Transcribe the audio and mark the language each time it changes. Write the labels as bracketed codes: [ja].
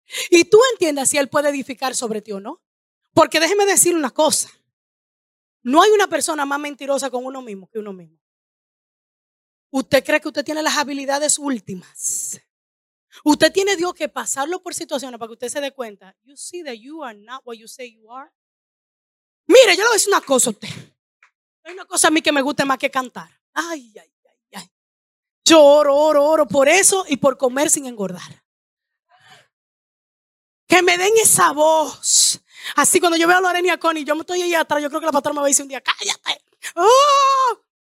[es] Y tú entiendas si Él puede edificar sobre ti o no. Porque déjeme decir una cosa. No hay una persona más mentirosa con uno mismo que uno mismo. Usted cree que usted tiene las habilidades últimas. Usted tiene Dios que pasarlo por situaciones para que usted se dé cuenta. [en] You see that you are not what you say you are. [es] Mire, yo le voy a decir una cosa a usted. Hay una cosa a mí que me gusta más que cantar. Ay, ay. Yo oro por eso y por comer sin engordar. Que me den esa voz. Así cuando yo veo a Lorena y a Connie, yo me estoy ahí atrás, yo creo que la pastora me va a decir un día, ¡cállate! ¡Oh!